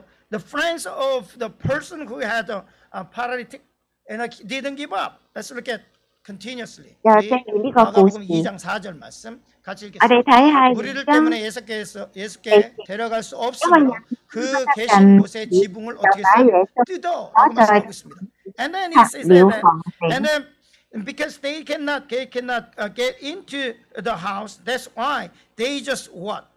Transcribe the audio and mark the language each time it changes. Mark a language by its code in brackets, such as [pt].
[en] The friends of the person who had a paralytic and didn't give up. Let's look at continuously. [ko] 야, 이거 보시. 2장 4절 말씀 같이 읽겠습니다. 우리를 때문에 예수께 데려갈 수 없으므로 그 계신 곳의 지붕을 어떻게 써요? 뜯어 말씀하고 있습니다. [en] And then he says that, and then because they cannot get into the house, that's why they just what?